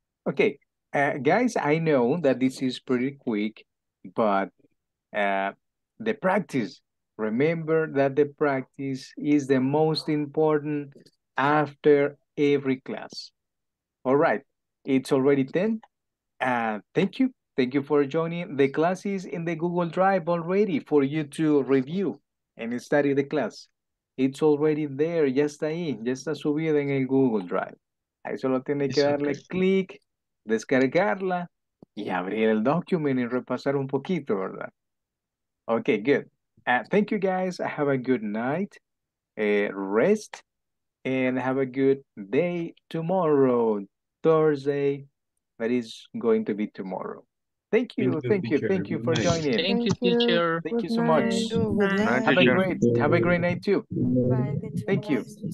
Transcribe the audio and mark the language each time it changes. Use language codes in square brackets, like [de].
[en] Okay, guys, I know that this is pretty quick, but the practice, remember that the practice is the most important after every class. All right, it's already 10. Thank you. Thank you for joining. The class is in the Google Drive already for you to review and study the class. It's already there. [es] Ya está ahí. Ya está subida en el Google Drive. Ahí solo tiene que darle clic, descargarla y abrir el document y repasar un poquito, ¿verdad? [en] Okay, good. Thank you, guys. Have a good night. Rest and have a good day tomorrow, Thursday. That is going to be tomorrow. Thank you. Thank you for joining. Thank you, teacher. Thank you so much. Have a great night, too. Thank you.